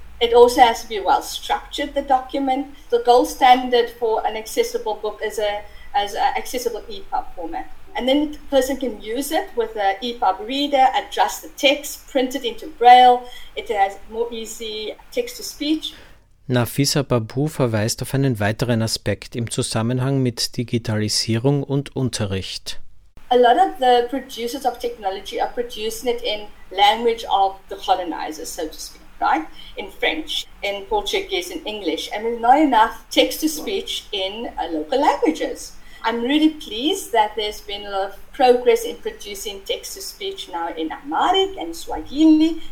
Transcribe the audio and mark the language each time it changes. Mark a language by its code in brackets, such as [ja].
[en] It also has to be well-structured, the document. The gold standard for an accessible book is an accessible EPUB format. And then the person can use it with an EPUB reader, adjust the text, print it into Braille. It has more easy text-to-speech. [de] Nafisa Babu verweist auf einen weiteren Aspekt im Zusammenhang mit Digitalisierung und Unterricht. [en] A lot of the producers of technology are producing it in language of the colonizers, so to speak, right? In French, in Portuguese, in English. And there's not enough text-to-speech in local languages. I'm really pleased that there's been a lot of progress in producing text-to-speech now in Amharic and Swahili.